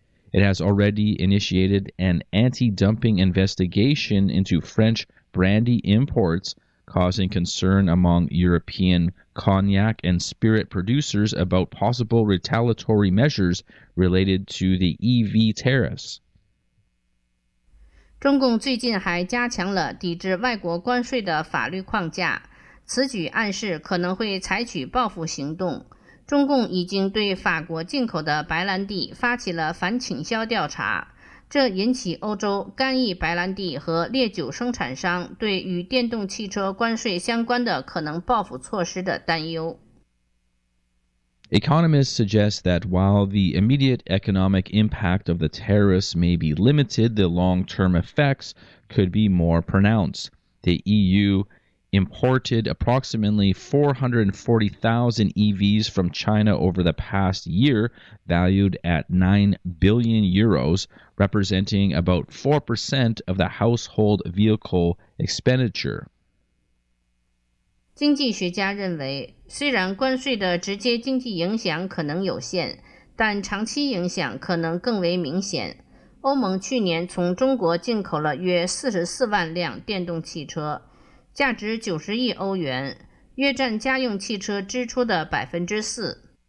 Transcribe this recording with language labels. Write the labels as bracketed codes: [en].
[en] It has already initiated an anti-dumping investigation into French brandy imports, causing concern among European cognac and spirit producers about possible retaliatory measures related to the EV tariffs. [zh] 中共最近还加强了抵制外国关税的法律框架，此举暗示可能会采取报复行动。中共已经对法国进口的白兰地发起了反倾销调查，这引起欧洲干邑白兰地和烈酒生产商对与电动汽车关税相关的可能报复措施的担忧。 [en] Economists suggest that while the immediate economic impact of the tariffs may be limited, the long-term effects could be more pronounced. The EU imported approximately 440,000 EVs from China over the past year, valued at 9 billion euros, representing about 4% of the household vehicle expenditure. [zh] 经济学家认为，虽然关税的直接经济影响可能有限，但长期影响可能更为明显。欧盟去年从中国进口了约44万辆电动汽车，价值90亿欧元，约占家用汽车支出的 4%。